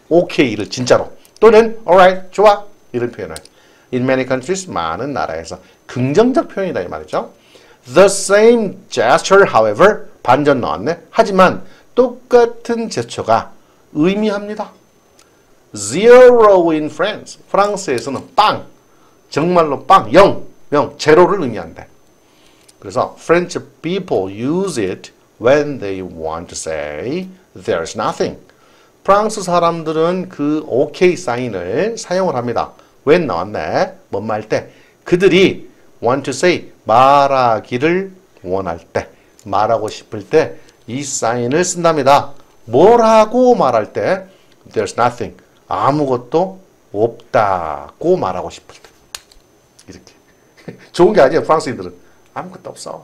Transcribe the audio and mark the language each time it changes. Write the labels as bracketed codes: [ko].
[ko] OK를 진짜로 또는 alright 좋아 이런 표현을 [en] in many countries [ko] 많은 나라에서 긍정적 표현이다 이 말이죠. [en] The same gesture, however [ko] 반전 나왔네. 하지만 똑같은 제스처가 의미합니다. [en] Zero in France. [ko] 프랑스에서는 빵. 정말로 빵, 영, 영, 제로를 의미한대. 그래서 [en] French people use it when they want to say there's nothing. [ko] 프랑스 사람들은 그 OK 사인을 사용을 합니다. When 나왔네, 뭔 말 때. 그들이 [en] want to say, [ko] 말하기를 원할 때, 말하고 싶을 때 이 사인을 쓴답니다. 뭐라고 말할 때 [en] there's nothing, [ko] 아무것도 없다고 말하고 싶을 때. 이렇게. 좋은 게 아니에요. 프랑스인들은. 아무것도 없어.